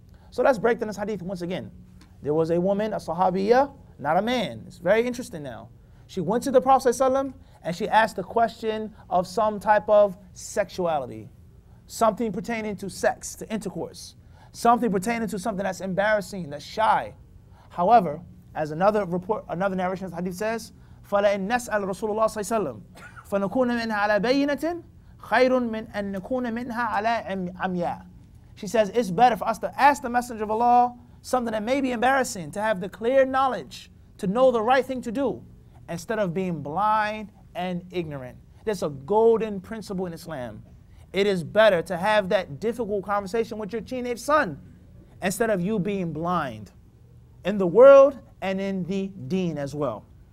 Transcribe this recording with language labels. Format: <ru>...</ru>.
<en>So let's break down this hadith once again. There was a woman, a sahabiyah, not a man. It's very interesting now. She went to the Prophet sallam, and she asked a question of some type of sexuality, something pertaining to sex, to intercourse, something pertaining to something that's embarrassing, that's shy. However, as another report, another narration of the hadith says,</en> <ar>فَلَإِنْ نَسْأَلْ رَسُولُ اللَّهِ صَلَّى اللَّهُ عَلَيْهِ وَسَلَّمَ فَنَكُونَ مِنْهَا عَلَى بَيِّنَةٍ خَيْرٌ مِنْ أَنْ نَكُونَ مِنْهَا عَلَى عَمْيَا.</ar> <en>She says, it's better for us to ask the Messenger of Allah something that may be embarrassing, to have the clear knowledge, to know the right thing to do, instead of being blind and ignorant. That's a golden principle in Islam. It is better to have that difficult conversation with your teenage son instead of you being blind in the world and in the deen as well.</en>